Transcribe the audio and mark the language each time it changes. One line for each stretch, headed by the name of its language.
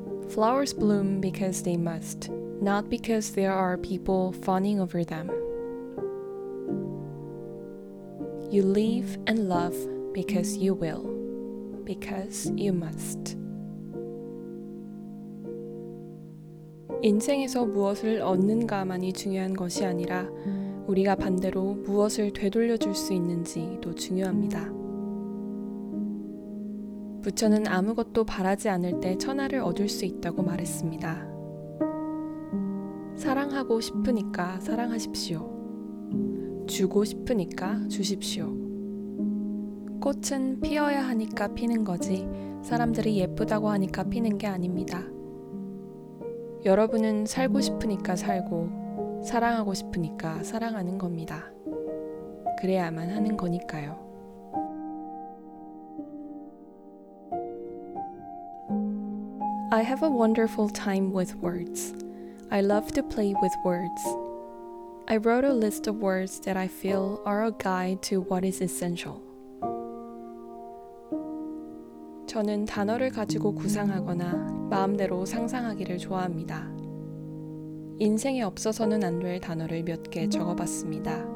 English: Flowers bloom because they must, not because there are people fawning over them. You live and love because you will, because you must.
Korean: 인생에서 무엇을 얻는가만이 중요한 것이 아니라 우리가 반대로 무엇을 되돌려줄 수 있는지도 중요합니다. 부처는 아무것도 바라지 않을 때 천하를 얻을 수 있다고 말했습니다. 사랑하고 싶으니까 사랑하십시오. 주고 싶으니까 주십시오. 꽃은 피어야 하니까 피는 거지 사람들이 예쁘다고 하니까 피는 게 아닙니다. 여러분은 살고 싶으니까 살고, 사랑하고 싶으니까 사랑하는 겁니다. 그래야만 하는 거니까요.
English: I have a wonderful time with words. I love to play with words. I wrote a list of words that I feel are a guide to what is essential.
Korean: 저는 단어를 가지고 구상하거나 마음대로 상상하기를 좋아합니다. 인생에 없어서는 안 될 단어를 몇 개 적어봤습니다.